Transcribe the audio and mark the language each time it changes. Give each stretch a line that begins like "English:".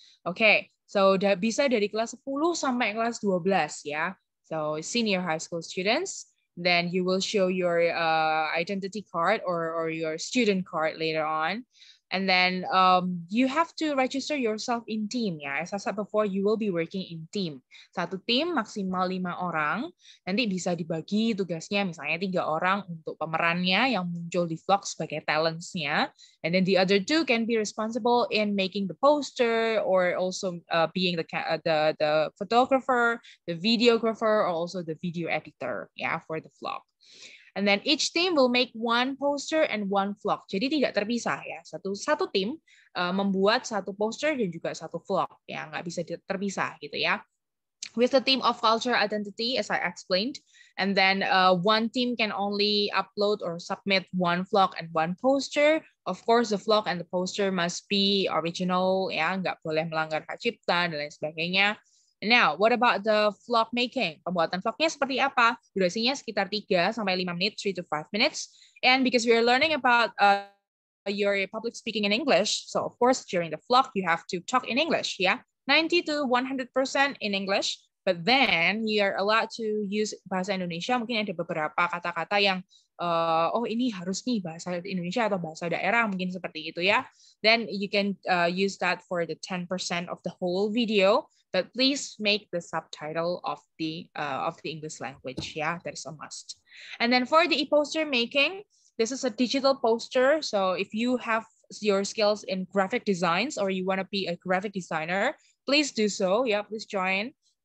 Indonesian: Okay, so bisa dari kelas 10 sampai kelas 12, ya.
English: So senior high school students, then you will show your identity card or your student card later on. And then you have to register yourself in team, ya. As I said before, you will be working in team.
Indonesian: Satu tim maksimal 5 orang. Nanti bisa dibagi tugasnya, misalnya 3 orang untuk pemerannya yang muncul di vlog sebagai talents-nya.
English: And then the other two can be responsible in making the poster or also being the photographer, the videographer, or also the video editor, ya, for the vlog. And then each team will make one poster and one vlog.
Indonesian: Jadi tidak terpisah ya. Satu tim membuat satu poster dan juga satu vlog. Ya, nggak bisa terpisah gitu ya.
English: With the theme of culture identity, as I explained. And then one team can only upload or submit one vlog and one poster. Of course, the vlog and the poster must be original.
Indonesian: Ya, nggak boleh melanggar hak cipta dan lain sebagainya.
English: Now, what about the vlog making?
Indonesian: Pembuatan vlognya seperti apa? Durasinya sekitar 3-5 menit,
English: 3-5 minutes. And because we are learning about your public speaking in English, so of course, during the vlog, you have to talk in English, yeah? 90-100% in English, but then you are allowed to use bahasa Indonesia.
Indonesian: Mungkin ada beberapa kata-kata yang, oh, ini harus nih bahasa Indonesia atau bahasa daerah, mungkin seperti itu, ya?
English: Then you can use that for the 10% of the whole video. But please make the subtitle of the English language. Yeah, that is a must. And then for the e-poster making, this is a digital poster. So if you have your skills in graphic designs or you want to be a graphic designer, please do so. Yeah, please join.